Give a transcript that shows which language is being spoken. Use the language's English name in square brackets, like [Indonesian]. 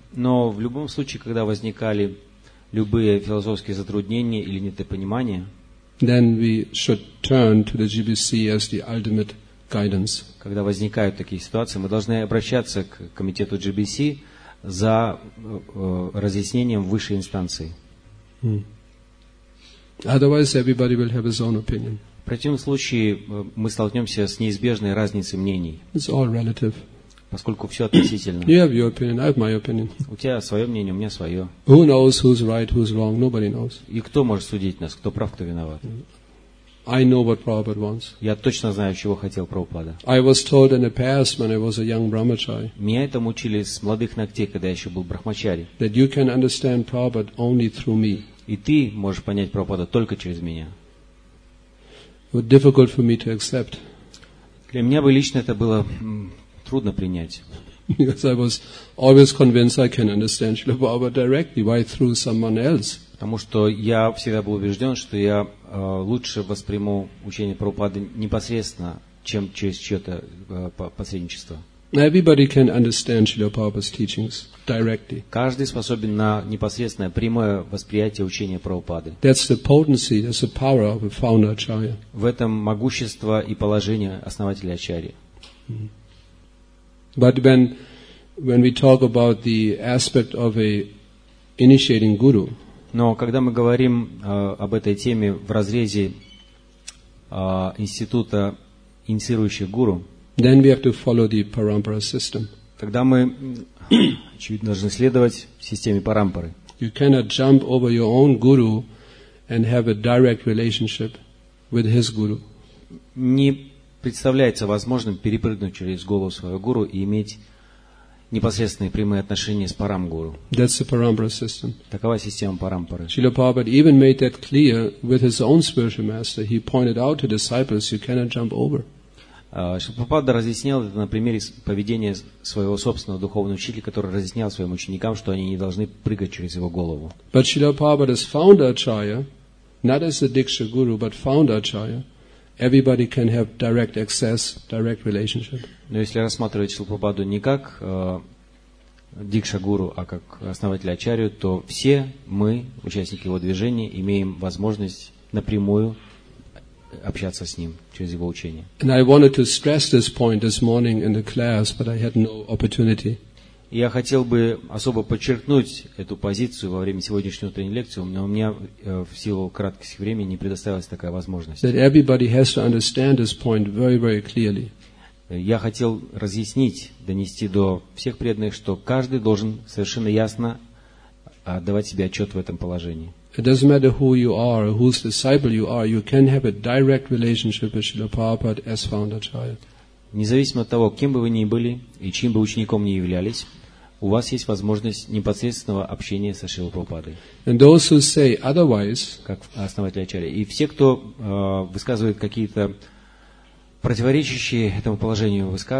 [Russian] Но в любом случае, когда возникали любые философские затруднения или недопонимания, [English] then we should turn to the GBC as the ultimate guidance. [Russian] Когда возникают такие ситуации, мы должны обращаться к комитету GBC за разъяснением высшей инстанции. [English] Hmm. Otherwise, everybody will have his own opinion. [Russian] В противном случае мы столкнемся с неизбежной разницей мнений. [English] It's all relative. [Russian] Поскольку все относительно. [English] You have your opinion, I have my opinion. [Russian] У тебя свое мнение, у меня свое. [English] Who knows who's right, who's wrong? Nobody knows. [Russian] И кто может судить нас, кто прав, кто виноват? [English] I know what Prabhupada wants. [Russian] Я точно знаю, чего хотел Прабхупада. [English] I was told in the past when I was a young brahmachari. [Russian] Меня этому учили с молодых ногтей, когда я еще был брахмачари. [English] That you can understand Prabhupada only through me. [Russian] И ты можешь понять Прабхупада только через меня. [English] Difficult for me to accept. [Russian] Для меня бы лично это было трудно принять. [English] Because I was always convinced I can understand Śrīla Prabhupāda directly. Why through someone else? [Russian] Потому что я всегда был убежден, что я лучше восприму учение Прабхупады непосредственно, чем через чье-то посредничество. [English] Everybody can understand Śrīla Prabhupāda's teachings directly. [Russian] Каждый способен на непосредственное, прямое восприятие учения Прабхупады. [English] That's the potency, that's the power of a founder Acharya. [Russian] В этом могущество и положение основателя Ачарьи. [English] But when we talk about the aspect of a initiating guru. [Russian] Но когда мы говорим об этой теме в разрезе института инициирующих гуру. [English] Then we have to follow the parampara system. [Russian] Тогда мы, очевидно, должны следовать системе парампары. [English] You cannot jump over your own guru and have a direct relationship with his guru. [Russian] Не представляется возможным перепрыгнуть через голову своего гуру и иметь непосредственные прямые отношения с парам-гуру. [English] That's the parampara system. [Russian] Такова система парампары. [English] Śrīla Prabhupāda even made that clear with his own spiritual master. He pointed out to disciples, you cannot jump over. [Russian] Шрилапрабхупада разъяснял это на примере поведения своего собственного духовного учителя, который разъяснял своим ученикам, что они не должны прыгать через его голову. [English] But Srila Prabhupada's founder acharya, not as a diksha guru, but founder acharya, everybody can have direct access, direct relationship. [Russian] Но если рассматривать Шрилапрабхупаду не как дикша гуру, а как основатель ачарью, то все мы, участники его движения, имеем возможность напрямую общаться с ним через его учение. [English] And I wanted to stress this point this morning in the class, but I had no opportunity. [Russian] И я хотел бы особо подчеркнуть эту позицию во время сегодняшней утренней лекции, но у меня в силу краткости времени не предоставилась такая возможность. [English] That everybody has to understand this point very, very clearly. [Russian] Я хотел разъяснить, донести до всех преданных, что каждый должен совершенно ясно отдавать себе отчет в этом положении. [English] It doesn't matter who you are or whose disciple you are, you can have a direct relationship with Srila Prabhupada as founder acharya. [Russian] Независимо от того, кем бы вы ни были и чьим бы учеником ни являлись, у вас есть возможность непосредственного общения со Шрилой Прабхупадой. [English] And those who say otherwise, [Russian] как основатель ачарьи, и все, кто высказывает какие-то противоречащие этому положению,